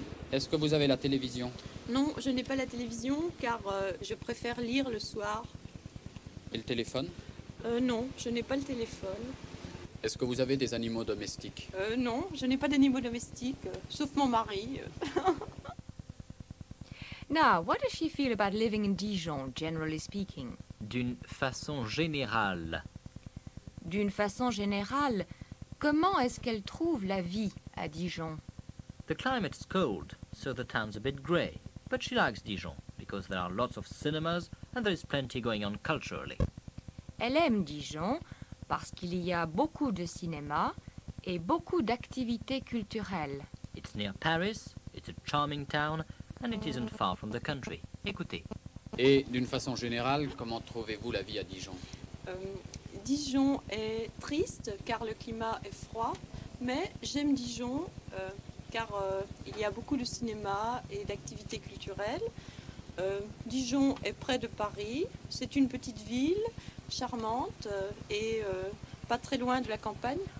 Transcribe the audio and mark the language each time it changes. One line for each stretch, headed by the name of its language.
French: Est-ce que vous avez la télévision? Non, je n'ai pas la télévision car je préfère lire le soir. Et le téléphone? Non, je n'ai pas le téléphone. Est-ce que vous avez des animaux domestiques? Non, je n'ai pas d'animaux domestiques, sauf mon mari.
English: Now, what does she feel about living in Dijon, generally speaking?
French: D'une façon générale. D'une façon générale, comment est-ce qu'elle trouve la vie à Dijon?
English: The climate's cold, so the town's a bit grey. But she likes Dijon, because there are lots of cinemas and there is plenty going on culturally.
French: Elle aime Dijon parce qu'il y a beaucoup de cinéma et beaucoup d'activités culturelles.
English: It's near Paris, it's a charming town, and it isn't far from the country.
French: Écoutez. Et d'une façon générale, comment trouvez-vous la vie à Dijon? Dijon est triste car le climat est froid, mais j'aime Dijon car il y a beaucoup de cinéma et d'activités culturelles. Dijon est près de Paris, c'est une petite ville charmante et pas très loin de la campagne.